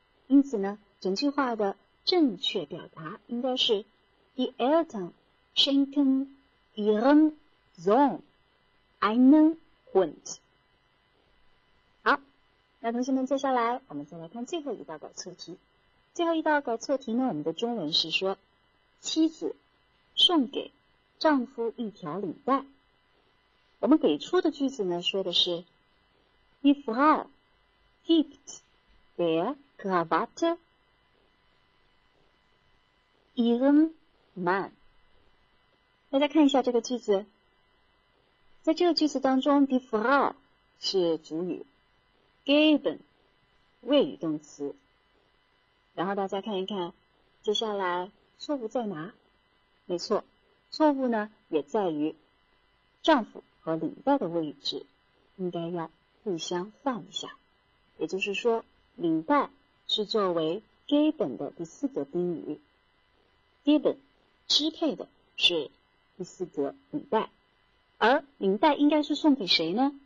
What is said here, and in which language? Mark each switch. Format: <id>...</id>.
<zh>因此呢，整句话的正确表达应该是</zh> <de>Die Eltern schenken ihren Sohn einen Hund。</de> <zh>好，那同学们接下来我们再来看最后一道改错题。最后一道改错题呢，我们的中文是说妻子送给丈夫一条领带。我们给出的句子呢说的是</zh> <de>Die Frau gibt der Krawatte ihren Mann。</de> <zh>大家看一下这个句子，在这个句子当中 Die Frau 是主语， geben 谓语动词。然后大家看一看接下来错误在哪。没错，错误呢也在于丈夫和领带的位置应该要互相换一下，也就是说领带是作为 geben 的第四格宾语， geben 支配的是第四格领带，而领带应该是送给谁呢？</zh>